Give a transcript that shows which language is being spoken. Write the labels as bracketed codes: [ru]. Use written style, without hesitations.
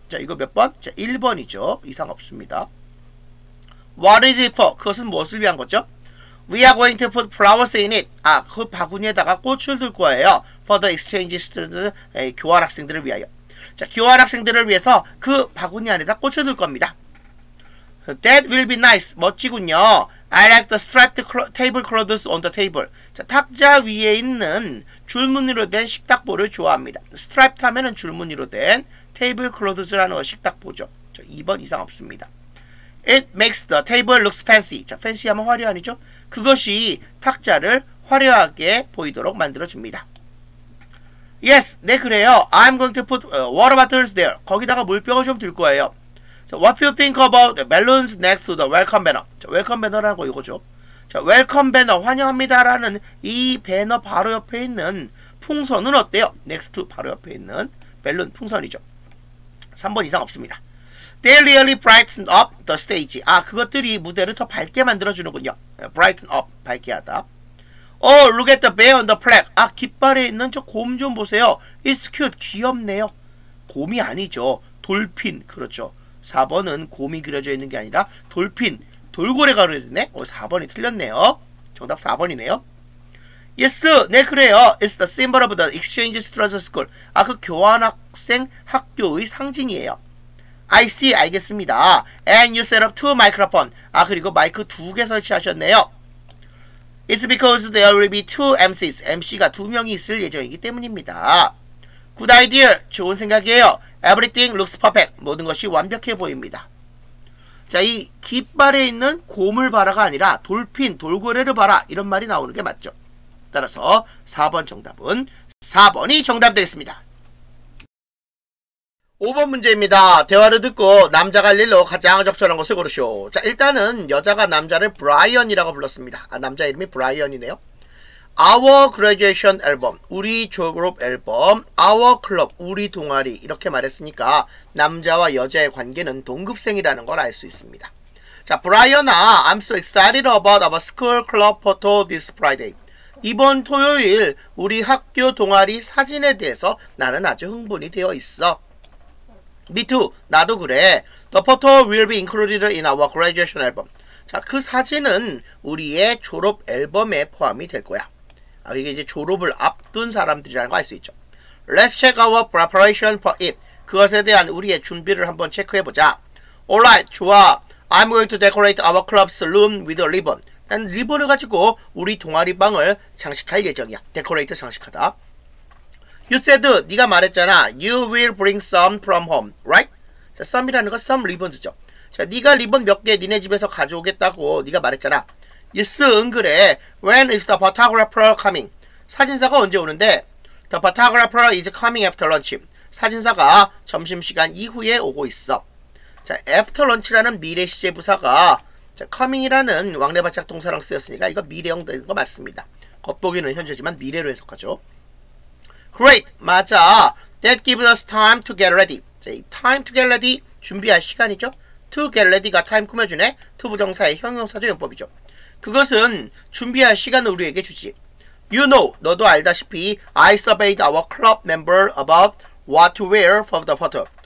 [ko] 자, 이거 몇 번? 자, 1번이죠. 이상 없습니다. [en] What is it for? [ko] 그것은 무엇을 위한 거죠? [en] We are going to put flowers in it. [ko] 아, 그 바구니에다가 꽃을 둘 거예요. [en] For the exchange students, [ko] 교환 학생들을 위하여. 자, 교환 학생들을 위해서 그 바구니 안에다 꽃을 둘 겁니다. [en] That will be nice. [ko] 멋지군요. [en] I like the striped tablecloths on the table. [ko] 자, 탁자 위에 있는 줄무늬로 된 식탁보를 좋아합니다. Striped 하면은 줄무늬로 된 tablecloths라는 식탁보죠. 자, 2번 이상 없습니다. [en] It makes the table looks fancy. [ko] 자, fancy 하면 화려하니죠? 그것이 탁자를 화려하게 보이도록 만들어줍니다. [en] Yes, [ko] 네, 그래요. [en] I'm going to put water bottles there. [ko] 거기다가 물병을 좀 들 거예요. [en] So what do you think about the balloons next to the welcome banner? [ko] 자, welcome banner라는 거 이거죠. 자, welcome banner, 환영합니다라는 이 배너 바로 옆에 있는 풍선은 어때요? Next to 바로 옆에 있는 balloon, 풍선이죠. 3번 이상 없습니다. [en] They really brighten up the stage. [ko] 아, 그것들이 무대를 더 밝게 만들어주는군요. Brighten up, 밝게 하다. [en] Oh, look at the bear on the plaque. [ko] 아, 깃발에 있는 저 곰 좀 보세요. [en] It's cute, [ko] 귀엽네요. 곰이 아니죠. 돌핀, 그렇죠. 4번은 곰이 그려져 있는 게 아니라 돌핀, 돌고래가 그려져 있네. 오, 4번이 틀렸네요. 정답 4번이네요. [en] Yes, [ko] 네, 그래요. [en] It's the symbol of the exchange student school. [ko] 아, 그 교환학생 학교의 상징이에요. [en] I see, [ko] 알겠습니다. [en] And you set up two microphones. [ko] 아, 그리고 마이크 두 개 설치하셨네요. [en] It's because there will be two MCs. [ko] MC가 두 명이 있을 예정이기 때문입니다. [en] Good idea, [ko] 좋은 생각이에요. [en] Everything looks perfect. [ko] 모든 것이 완벽해 보입니다. 자, 이 깃발에 있는 곰을 봐라가 아니라 돌핀, 돌고래를 봐라. 이런 말이 나오는 게 맞죠. 따라서 4번 정답은 4번이 정답 되겠습니다. 5번 문제입니다. 대화를 듣고 남자가 할 일로 가장 적절한 것을 고르시오. 자, 일단은 여자가 남자를 브라이언이라고 불렀습니다. 아, 남자 이름이 브라이언이네요. Our graduation album, 우리 졸업 앨범, our club, 우리 동아리 이렇게 말했으니까 남자와 여자의 관계는 동급생이라는 걸 알 수 있습니다. 자, 브라이언아, [en] I'm so excited about our school club photo this Friday. [ko] 이번 토요일 우리 학교 동아리 사진에 대해서 나는 아주 흥분이 되어 있어. [en] Me too, [ko] 나도 그래. [en] The photo will be included in our graduation album. [ko] 자, 그 사진은 우리의 졸업 앨범에 포함이 될 거야. 아, 이게 이제 졸업을 앞둔 사람들이라는 거 알 수 있죠. [en] Let's check our preparation for it. [ko] 그것에 대한 우리의 준비를 한번 체크해보자. [en] Alright, [ko] 좋아. [en] I'm going to decorate our club's room with a ribbon. [ko] 난 리본을 가지고 우리 동아리 방을 장식할 예정이야. Decorate 장식하다. [en] You said, [ko] 네가 말했잖아. [en] You will bring some from home, right? [ko] 자, some이라는 건 some ribbons죠. 자, 네가 리본 몇 개 니네 집에서 가져오겠다고 네가 말했잖아. [en] Yes, [ko] 응, 그래. [en] When is the photographer coming? [ko] 사진사가 언제 오는데? [en] The photographer is coming after lunch. [ko] 사진사가 점심시간 이후에 오고 있어. 자, after lunch라는 미래 시제 부사가 자, coming이라는 왕래발작 동사랑 쓰였으니까 이거 미래형 되는 거 맞습니다. 겉보기는 현재지만 미래로 해석하죠. [en] Great, [ko] 맞아. [en] That gives us time to get ready. [ko] 자, time to get ready, 준비할 시간이죠. To get ready가 time 꾸며주네. To 부정사의 형용사적 용법이죠. 그것은 준비할 시간을 우리에게 주지. [en] You know, [ko] 너도 알다시피 [en] I surveyed our club member about what to wear for the photo.